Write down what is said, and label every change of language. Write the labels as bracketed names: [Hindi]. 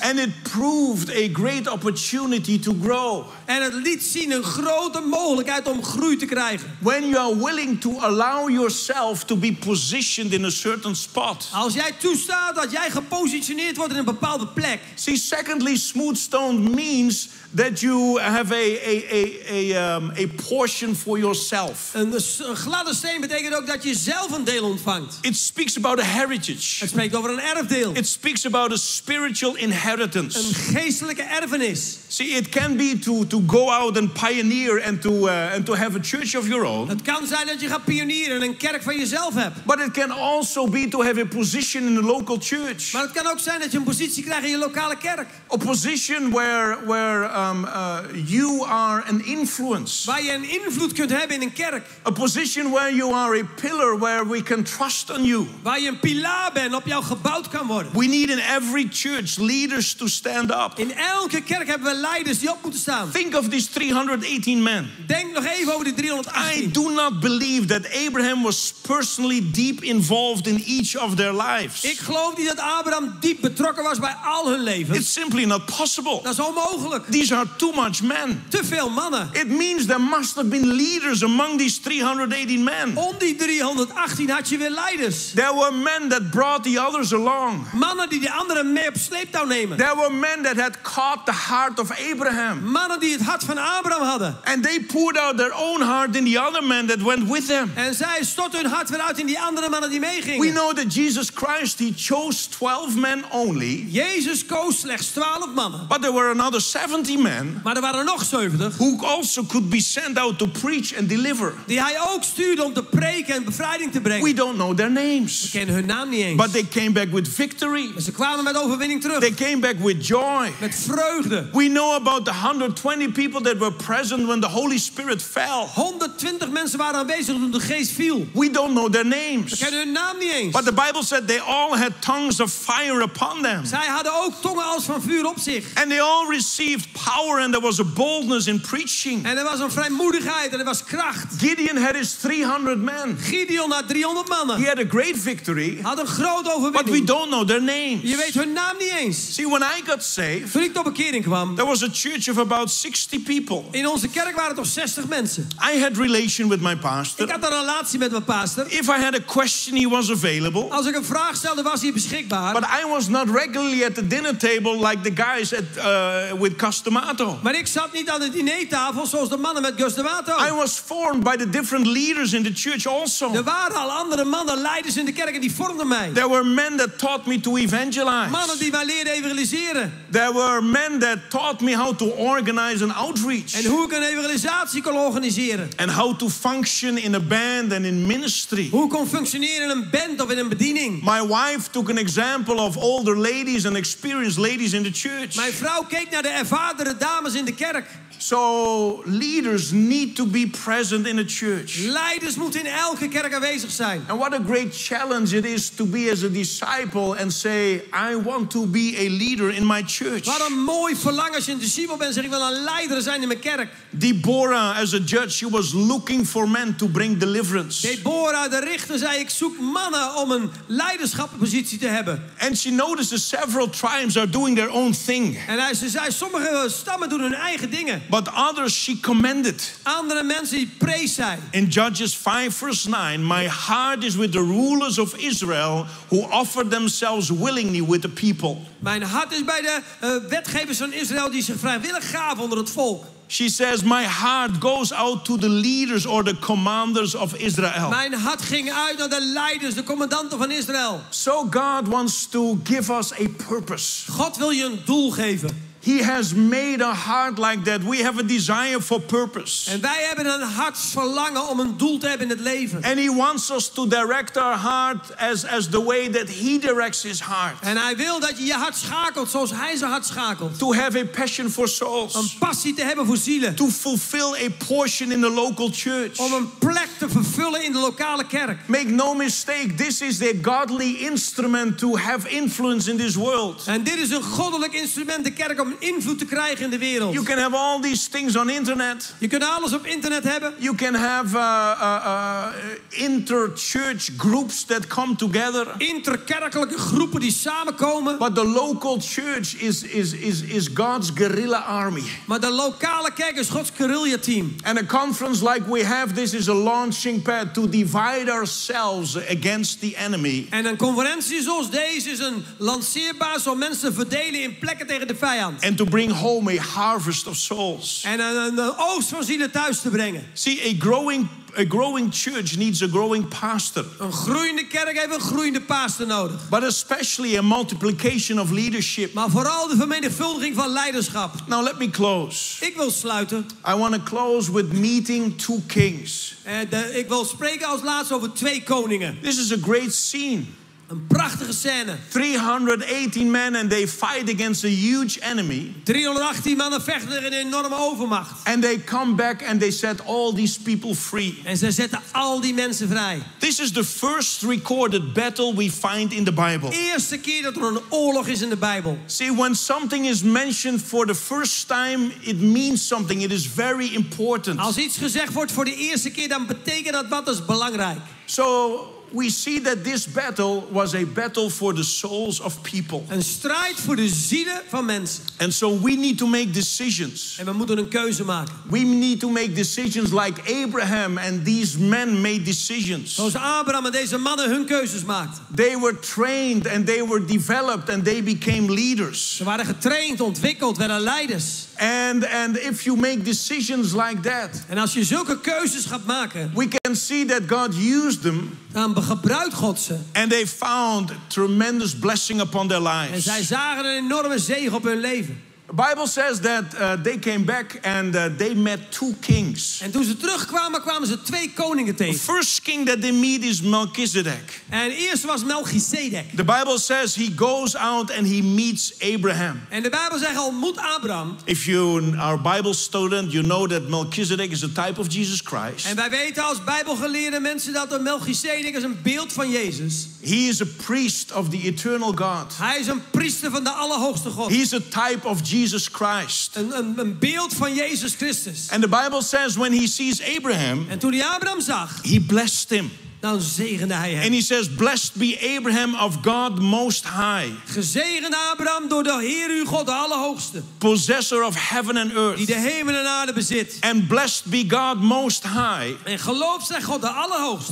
[English] And it proved a great opportunity to grow. [Dutch] En het liet zien een grote mogelijkheid om groei te krijgen. [English] When you are willing to allow yourself to be positioned in a certain spot. [Dutch] Als jij toestaat dat jij gepositioneerd wordt in een bepaalde plek. [English] See, secondly, smooth stone means that you have a portion for yourself. [Dutch] En een gladde steen betekent ook dat je zelf een deel ontvangt. [English] It speaks about a heritage. [Dutch] Het spreekt over een erfdeel. [English] It speaks about a spiritual inheritance. [Dutch] Een geestelijke erfenis. [English] See, it can be to go out and pioneer and to have a church of your own. [Dutch] Het kan zijn dat je gaat pionieren en een kerk van jezelf hebt. [English] But it can also be to have a position in a local church. [Dutch] Maar het kan ook zijn dat je een positie krijgt in je lokale kerk. [English] A position where you are an influence. [Dutch] Waar je een invloed kunt hebben in een kerk. [English] A position where you are a pillar where we can trust on you. [Dutch] Waar je een pilaar bent, op jou gebouwd kan worden. [English] We need in every church leaders to stand up. [Dutch] In elke kerk hebben we leiders die op moeten staan. [English] Think of these 318 men. [Dutch] Denk nog even over die 318. [English] I do not believe that Abraham was personally deep involved in each of their lives. [Dutch] Ik geloof niet dat Abraham diep betrokken was bij al hun levens. [English] It's simply not possible. [Dutch] Dat is onmogelijk. [English] These are too much men. [Dutch] Te veel mannen. [English] It means there must have been leaders among these 318 men. [Dutch] Om die 318 had je weer leiders. [English] There were men that brought the others along. [Dutch] Mannen die de anderen mee op sleeptouw nemen. [English] There were men that had caught the heart of Abraham. [Dutch] Mannen die het hart van Abraham hadden. [English] And they poured out their own heart in the other men that went with them. [Dutch] En zij stortten hun hart weer uit in die andere mannen die meegingen. [English] We know that Jesus Christ, he chose 12 men only. [Dutch] Jezus koos slechts 12 mannen. [English] But there were another 70 men. [Dutch] Maar er waren nog 70. [English] Who also could be sent out to preach and deliver. [Dutch] Die hij ook stuurde om te preken en bevrijding te brengen. [English] We don't know their names. [Dutch] We kennen hun naam niet eens. [English] But they came back with victory. [Dutch] Maar ze kwamen met overwinning terug. [English] They came back with joy. [Dutch] Met vreugde. [English] We know about the 120 people that were present when the Holy Spirit fell. [Dutch] 120 mensen waren aanwezig toen de geest viel. [English] We don't know their names. [Dutch] We kennen hun naam niet eens. [English] But the Bible said they all had tongues of fire upon them. [Dutch] Zij hadden ook tongen als van vuur op zich. [English] And they all received power and there was a boldness in preaching. [Dutch] En er was een vrijmoedigheid en er was kracht. [English] Gideon had his 300 men. [Dutch] Gideon had 300 mannen. [English] He had a great victory. [Dutch] Had een grote overwinning. [English] But we don't know their names. [Dutch] Je weet hun naam niet eens. [English] See, when I got saved, [Dutch] toen ik tot bekering kwam, [English] there was a church of about 60 people. [Dutch] In onze kerk waren het toch 60 mensen. [English] I had relation with my pastor. [Dutch] Ik had een relatie met mijn pastor. [English] If I had a question, he was available. [Dutch] Als ik een vraag stelde, was hij beschikbaar. [English] But I was not regularly at the dinner table like the guys at with Customato. [Dutch] Maar ik zat niet aan de dinertafel zoals de mannen met Customato. [English] I was formed by the different leaders in the church also. [Dutch] Er waren al andere mannen, leiders in de kerk en die vormden mij. [English] There were men that taught me to evangelize. [Dutch] Mannen die mij leerden evangeliseren. [English] There were men that taught me how to organize an outreach. [Dutch] En hoe ik een evangelisatie kon organiseren. [English] And how to function in a band and in ministry. [Dutch] Hoe kon functioneren in een band of in een bediening. [English] My wife took an example of older ladies and experienced ladies in the church. [Dutch] Mijn vrouw keek naar de ervaren dames in de kerk. [English] So leaders need to be present in a church. [Dutch] Leiders moeten in elke kerk aanwezig zijn. [English] And what a great challenge it is to be as a disciple and say, I want to be a leader in my church. [Dutch] Wat een mooi verlangen als je een discipel bent, zeg ik wil een leider zijn in mijn kerk. [English] Deborah, as a judge, she was looking for men to bring deliverance. [Dutch] Deborah, de richter, zei ik zoek mannen om een leiderschappositie te hebben. [English] And she noticed that several tribes are doing their own thing. [Dutch] En ze zei sommige stammen doen hun eigen dingen. [English] But others she commended. [Dutch] Andere mensen die prees zij. [English] In Judges 5 verse 9, my heart is with the rulers of Israel who offered themselves willingly with the people. [Dutch] Mijn hart is bij de wetgevers van Israël die zich vrijwillig gaven onder het volk. [English] She says, my heart goes out to the leaders or the commanders of Israel. [Dutch] Mijn hart ging uit naar de leiders, de commandanten van Israël. [English] So God wants to give us a purpose. [Dutch] God wil je een doel geven. [English] He has made a heart like that. We have a desire for purpose. [Dutch] En wij hebben een hartsverlangen om een doel te hebben in het leven. [English] And he wants us to direct our heart as the way that he directs his heart. [Dutch] En hij wil dat je je hart schakelt zoals hij zijn hart schakelt. [English] To have a passion for souls. [Dutch] Een passie te hebben voor zielen. [English] To fulfill a portion in the local church. [Dutch] Om een plek te vervullen in de lokale kerk. [English] Make no mistake, this is the godly instrument to have influence in this world. [Dutch] En dit is een goddelijk instrument de kerk om invloed te krijgen in de wereld. [English] You can have all these things on internet. [Dutch] Je kunt alles op internet hebben. [English] You can have inter-church groups that come together. [Dutch] Interkerkelijke groepen die samenkomen. [English] But the local church is God's guerrilla army. [Dutch] Maar de lokale kerk is Gods guerrilla team. [English] And a conference like we have, this is a launching pad to divide ourselves against the enemy. [Dutch] En een conferentie zoals deze is een lanceerbasis om mensen te verdelen in plekken tegen de vijand. [English] And to bring home a harvest of souls. [Dutch] En een oogst van zielen thuis te brengen. [English] See, a growing church needs a growing pastor. [Dutch] Een groeiende kerk heeft een groeiende pastor nodig. [English] But especially a multiplication of leadership. [Dutch] Maar vooral de vermenigvuldiging van leiderschap. [English] Now let me close. [Dutch] Ik wil sluiten. [English] I want to close with meeting two kings. [Dutch] Ik wil spreken als laatste over twee koningen. [English] This is a great scene. [Dutch] Een prachtige scène. [English] 318 men and they fight against a huge enemy. [Dutch] 318 mannen vechten tegen een enorme overmacht. [English] And they come back and they set all these people free. [Dutch] En ze zetten al die mensen vrij. [English] This is the first recorded battle we find in the Bible. [Dutch] Eerste keer dat er een oorlog is in de Bijbel. [English] See, when something is mentioned for the first time, it means something. It is very important. [Dutch] Als iets gezegd wordt voor de eerste keer, dan betekent dat wat is belangrijk. [English] So we see that this battle was a battle for the souls of people. [Dutch] Een strijd voor de zielen van mensen. [English] And so we need to make decisions. [Dutch] En we moeten een keuze maken. [English] We need to make decisions like Abraham and these men made decisions. [Dutch] Zoals Abraham en deze mannen hun keuzes maakten. [English] They were trained and they were developed and they became leaders. [Dutch] Ze waren getraind, ontwikkeld, werden leiders. [English] And if you make decisions like that, [Dutch] en als je zulke keuzes gaat maken, [English] we can see that God used them. [Dutch] Dan gebruikt God ze. [English] And they found tremendous blessing upon their lives. [Dutch] En zij zagen een enorme zegen op hun leven. [English] The Bible says that they came back and they met two kings. [Dutch] En toen ze terugkwamen, kwamen ze twee koningen tegen. [English] The first king that they meet is Melchizedek. [Dutch] En eerst was Melchizedek. [English] The Bible says he goes out and he meets Abraham. [Dutch] En de Bijbel zegt al moet Abraham. [English] If you are a Bible student, you know that Melchizedek is a type of Jesus Christ. [Dutch] En wij weten als Bijbelgeleerde mensen dat Melchizedek is een beeld van Jezus. [English] He is a priest of the eternal God. [Dutch] Hij is een priester van de Allerhoogste God. [English] He is a type of Jesus Christ. [Dutch] Een beeld van Jezus Christus. [English] And the Bible says when he sees Abraham, [Dutch] en toen hij Abraham zag, [English] he blessed him. [Dutch] Dan zegende hij hem. [English] And he says, blessed be Abraham of God Most High. [Dutch] Gezegende Abraham door de Heer uw God, de Allerhoogste. [English] Possessor of heaven and earth. [Dutch] Die de hemel en aarde bezit. [English] And blessed be God Most High. [Dutch] En geloofd zij God, de Allerhoogste.